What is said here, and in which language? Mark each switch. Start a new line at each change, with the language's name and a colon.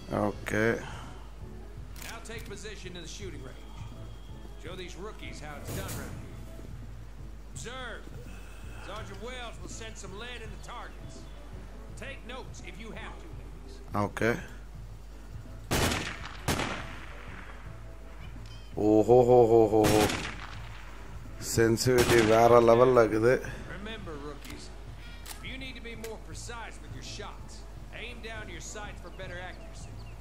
English: Okay. Now take position in the shooting range. Show these rookies how it's done right here. Observe. Sergeant Wills will send some lead in the targets. Take notes if you have to, please. Okay.
Tamil: ஓஹோ ஹோ ஹோ ஹோ ஹோ, சென்சிட்டி வேற லெவல்ல இருக்குது.
English: Remember rookies, you need to be more precise with your shots. Aim down your sights for better accuracy.